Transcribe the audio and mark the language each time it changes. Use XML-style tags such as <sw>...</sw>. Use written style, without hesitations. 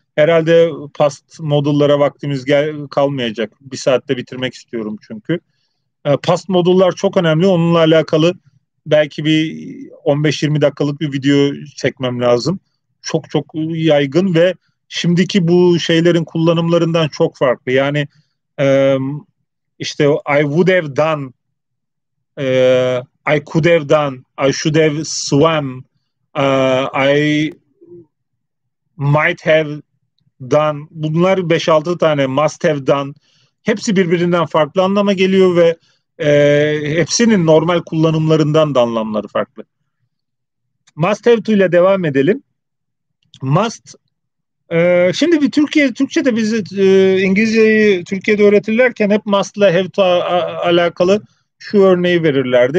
<tr>Herhalde past modellere vaktimiz kalmayacak. Bir saatte bitirmek istiyorum çünkü. Past modeller çok önemli. Onunla alakalı belki bir 15-20 dakikalık bir video çekmem lazım. Çok çok yaygın ve şimdiki bu şeylerin kullanımlarından çok farklı. Yani işte</tr> <en>I would have done, I could have done, I should have swam, I might have done.</en> <tr>Bunlar 5-6 tane</tr> <en>must have done.</en> <tr>Hepsi birbirinden farklı anlama geliyor ve hepsinin normal kullanımlarından da anlamları farklı. Must have to ile devam edelim. Must şimdi bir Türkçe'de biz İngilizceyi Türkiye'de öğretirlerken hep must ile have to alakalı şu örneği verirlerdi.</tr>